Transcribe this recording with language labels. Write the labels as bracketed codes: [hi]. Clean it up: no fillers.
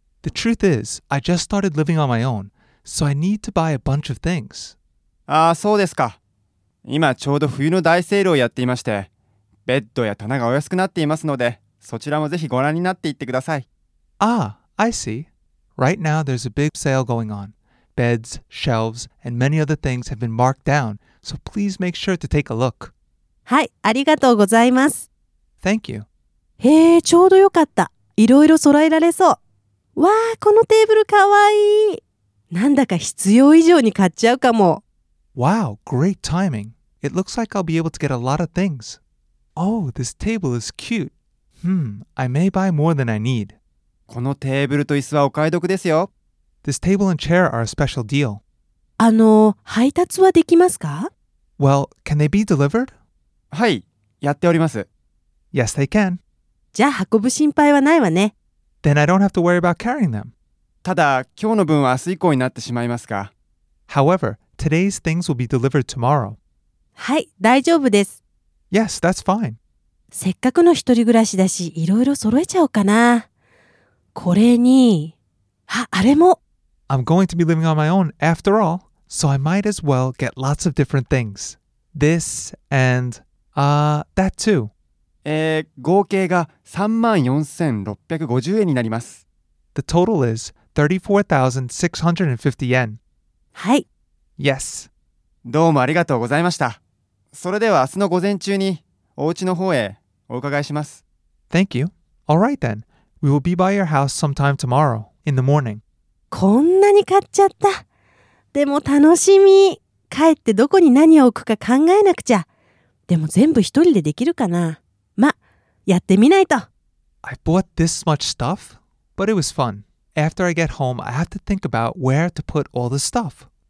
[en] The truth is, I just started living on my own, so I need to buy a bunch of things. [ja] ああ、そうですか。今ちょうど冬の大セールをやっていまして、ベッドや棚がお安くなっていますので、そちらもぜひご覧になっていってください。 [en] ああ、I see. Right now there's a big sale going on. Beds, shelves, and many other things have been marked down, so please make sure to take a look. [ja] はい、ありがとうございます。 [en] Thank you. [ja] へえ、ちょうどよかった。いろいろ揃えられそう。わあ、このテーブルかわいい。なんだか必要以上に買っちゃうかも。 [en] Wow, great timing. It looks like I'll be able to get a lot of things. Oh, this table is cute. I may buy more than I need. [ja] このテーブルと椅子はお買い得ですよ。 [en] This table and chair are a special deal. [ja] 配達はできますか？ [en] Well, can they be delivered? [ja] はい、やっております。 [en] Yes, they can. [ja] じゃあ運ぶ心配はないわね。 [en] Then I don't have to worry about carrying them. [ja] ただ、今日の分は明日以降になってしまいますか。 [en] However, today's things will be delivered tomorrow. [ja] はい、大丈夫です。 [en] Yes, that's fine. [ja] せっかくの一人暮らしだし、いろいろ揃えちゃおうかな。これに、あれも。 [en] I'm going to be living on my own after all, so I might as well get lots of different things. This and, that too. [ja] 合計が 34,650 円になります。 [en] The total is 34,650 yen. はい。Yes. [ja] どうもありがとうございました。それでは明日の午前中にお家の方へお伺いします。 [en] Thank you. Alright then. We will be by your house sometime tomorrow in the morning. [ja] こんなに買っちゃった。でも楽しみ。帰ってどこに何を置くか考えなくちゃ。でも全部一人でできるかな。やってみないと。 [en] I bought this much stuff, but it was fun. After I get home, I have to think about where to put all the stuff.